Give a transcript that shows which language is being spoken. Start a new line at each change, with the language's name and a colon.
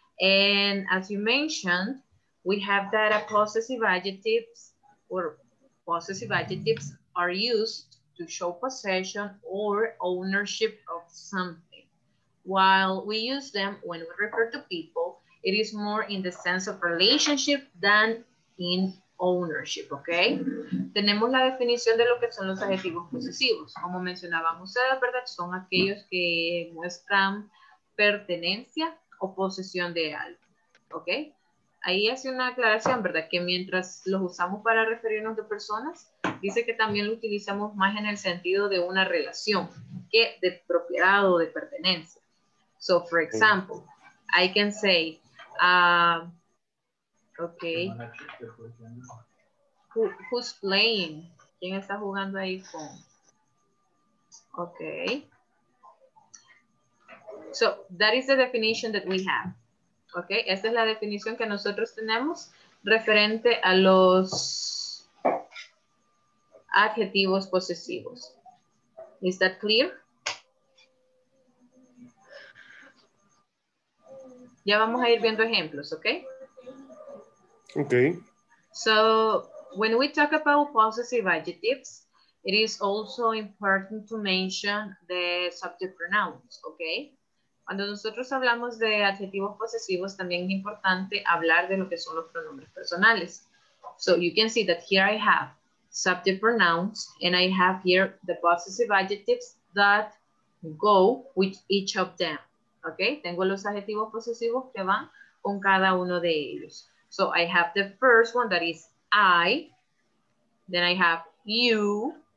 English: And as you mentioned, we have that a possessive adjectives or possessive adjectives are used to show possession or ownership of something. While we use them when we refer to people, it is more in the sense of relationship than in ownership, ¿ok?
Spanish: Tenemos la definición de lo que son los adjetivos posesivos. Como mencionábamos ustedes, ¿verdad? Son aquellos que muestran pertenencia o posesión de algo, ¿ok? Ahí hace una aclaración, ¿verdad? Que mientras los usamos para referirnos de personas, dice que también lo utilizamos más en el sentido de una relación que de propiedad o de pertenencia.
English: So, for example, I can say, okay. Who's playing?
Spanish: ¿Quién está jugando ahí con? Okay.
English: So that is the definition that we have. Okay.
Spanish: Esta es la definición que nosotros tenemos referente a los adjetivos posesivos.
English: Is that clear?
Spanish: Ya vamos a ir viendo ejemplos, okay?
English: Okay. So when we talk about possessive adjectives, it is also important to mention the subject pronouns, okay?
Spanish: Cuando nosotros hablamos de adjetivos posesivos, también es importante hablar de lo que son los pronombres personales.
English: So you can see that here I have subject pronouns and I have here the possessive adjectives that go with each of them, okay?
Spanish: Tengo los adjetivos posesivos que van con cada uno de ellos.
English: So I have the first one that is I, then I have you,